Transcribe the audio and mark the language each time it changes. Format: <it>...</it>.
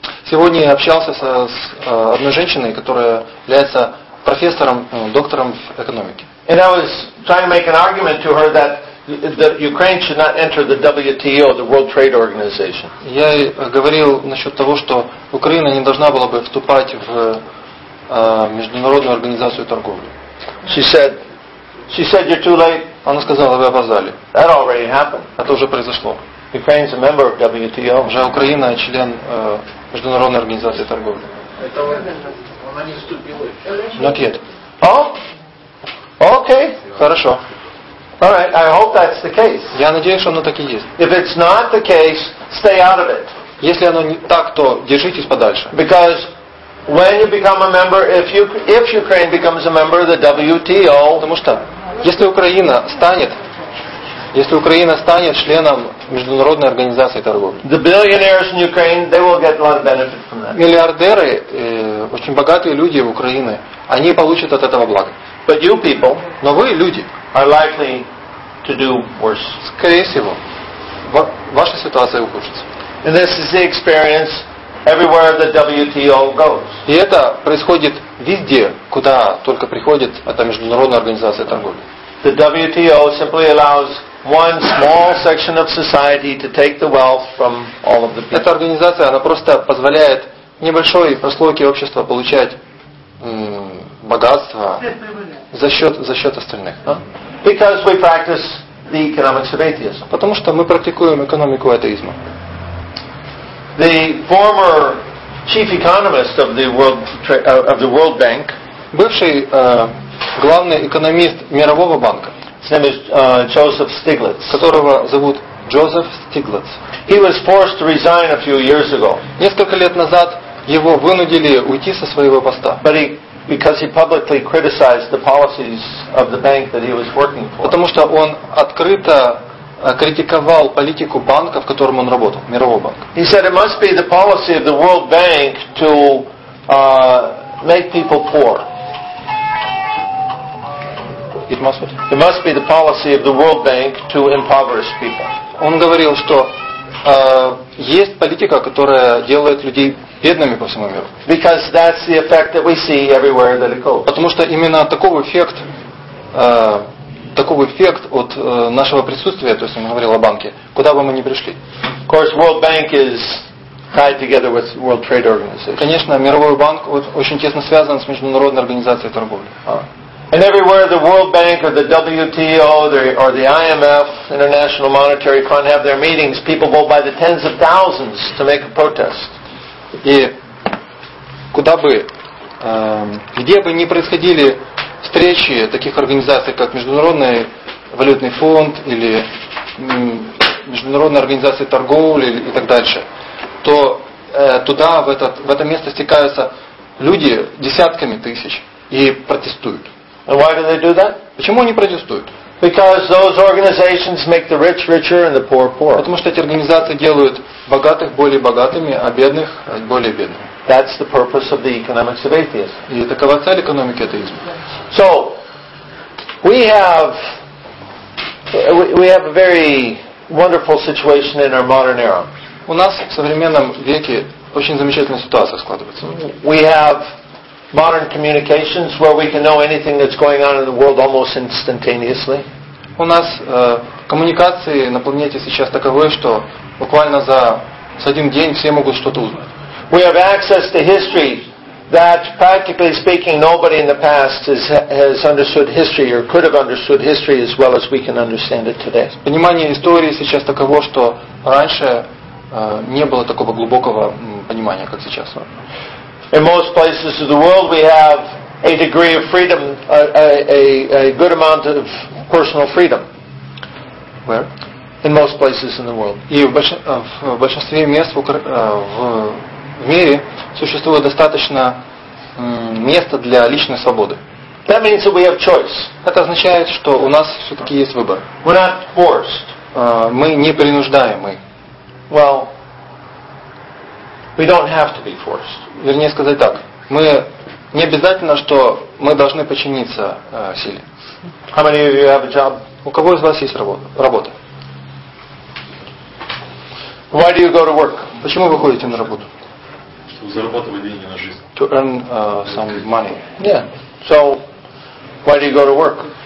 <ru>Сегодня я общался с одной женщиной, которая является профессором, доктором в экономике.</ru> <en>And I was trying to make an argument to her that The Ukraine should not enter the WTO, the World Trade Organization.</en> <ru>Я говорил насчет того, что Украина не должна была бы вступать в международную организацию торговли.</ru> <en>She said you're too late.</en> <ru>Она сказала, вы опоздали.</ru> <en>That already happened.</en> <ru>Это уже произошло.</ru> <en>Ukraine's a member of WTO.</en> <ru>Уже Украина член международной организации торговли. Это она не вступила.</ru> <en>Not yet. Oh. Okay.</en> <ru>Хорошо.</ru> <en>All right, I hope that's the case.</en> <ru>Я надеюсь, что оно так и есть.</ru> <en>If it's not the case, stay out of it.</en> <ru>Если оно не так, то держитесь подальше.</ru> <en>Because when you become a member, if Ukraine becomes a member of the WTO,</en> <ru>потому что если Украина станет членом международной организации торговли,</ru> <en>the billionaires in Ukraine, they will get a lot of benefit from that.</en> <ru>Миллиардеры, очень богатые люди в Украине, они получат от этого благо.</ru> <en>But you people,</en> <ru>но вы люди,</ru> <en>are likely to do worse.</en> <ru>Скорее всего, ваша ситуация ухудшится.</ru> <en>And this is the experience everywhere the WTO goes.</en> <ru>И это происходит везде, куда только приходит эта международная организация торговли.</ru> <en>The WTO simply allows one small section of society to take the wealth from all of the people.</en> <ru>Эта организация, она просто позволяет небольшой прослойке общества получать богатство за счет остальных.</ru> <en>Because we practice the economics of atheism.</en> <ru>Потому что мы практикуем экономику атеизма.</ru> <en>The former chief economist of the World Bank,</en> <ru>бывший главный экономист Мирового банка,</ru> <en>his name is Joseph Stiglitz,</en> <ru>которого зовут Джозеф Стиглиц.</ru> <en>He was forced to resign a few years ago.</en> <ru>Несколько лет назад его вынудили уйти со своего поста.</ru> <en>Because he publicly criticized the policies of the bank that he was working for.</en> <ru>Потому что он открыто критиковал политику банка, в котором он работал, Мирового банка.</ru> <en>He said it must be the policy of the World Bank to make people poor. It must be the policy of the World Bank to impoverish people.</en> <ru>Он говорил, что есть политика, которая делает людей бедными по всему миру.</ru> <en>Because that's the effect that we see everywhere that it goes.</en> <ru>Потому что именно такой эффект от нашего присутствия, то есть он говорил о банке, куда бы мы ни пришли.</ru> <en>Of course, World Bank is tied together with World Trade Organization.</en> <ru>Конечно, Мировой банк очень тесно связан с Международной организацией торговли.</ru> <en>And everywhere the World Bank or the WTO or the IMF, International Monetary Fund, have their meetings, people go by the tens of thousands to make a protest.</en> <ru>И куда бы, где бы ни происходили встречи таких организаций, как Международный валютный фонд или Международная организация торговли и так дальше, то туда, в это место стекаются люди десятками тысяч и протестуют.</ru> <en>And why do they do that?</en> <ru>Почему они протестуют?</ru> <en>Because those organizations make the rich richer and the poor poorer.</en> <ru>Потому что эти организации делают богатых более богатыми, а бедных более бедными.</ru> <en>That's the purpose of the economics of atheism.</en> <ru>И такова цель экономики атеизма.</ru> <en>So we have a very wonderful situation in our modern era.</en> <ru>У нас в современном веке очень замечательная ситуация складывается.</ru> <en>We have modern communications, where we can know anything that's going on in the world almost instantaneously.</en> <ru>У нас коммуникации на планете сейчас таковы, что буквально за один день все могут что-то узнать.</ru> <en>We have access to history that, practically speaking, nobody in the past has understood history or could have understood history as well as we can understand it today.</en> <ru>Понимание истории сейчас таково, что раньше не было такого глубокого понимания, как сейчас.</ru> <en>In most places of the world, we have a degree of freedom, a good amount of personal freedom. Where? In most places in the world.</en> <ru>И в большинстве мест в мире существует достаточно места для личной свободы.</ru> <en>That means that we have choice.</en> <ru>Это означает, что у нас все-таки есть выбор.</ru> <en>We're not forced.</en> <ru>Мы не принуждаемы.</ru> <en>Well, we don't have to be forced.</en> <ru>Вернее сказать так. Мы не обязательно, что мы должны подчиниться силе.</ru> <en>How many of you have a job?</en> <ru>У кого из вас есть работа?</ru> <en>Why do you go to work?</en> <ru>Почему вы ходите на работу? Чтобы зарабатывать деньги на жизнь.</ru> <en>To earn some money. Yeah. So, why do you go to work?</en>